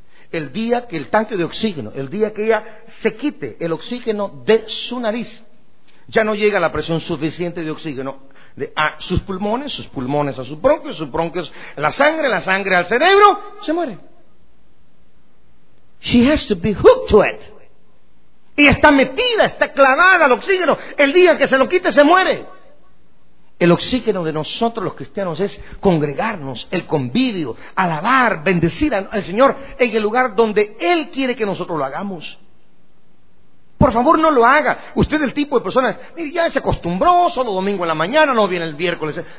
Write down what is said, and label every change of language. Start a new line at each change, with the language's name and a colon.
Spanish: El día que el tanque de oxígeno, el día que ella se quite el oxígeno de su nariz, ya no llega la presión suficiente de oxígeno a sus pulmones a sus bronquios a la sangre al cerebro, se muere.
English: She has to be hooked to it.
Spanish: Y está metida, está clavada al oxígeno. El día que se lo quite, se muere. El oxígeno de nosotros los cristianos es congregarnos, el convivio, alabar, bendecir al Señor en el lugar donde Él quiere que nosotros lo hagamos. Por favor, no lo haga. Usted es el tipo de persona, mire, ya se acostumbró, solo domingo en la mañana, no viene el miércoles.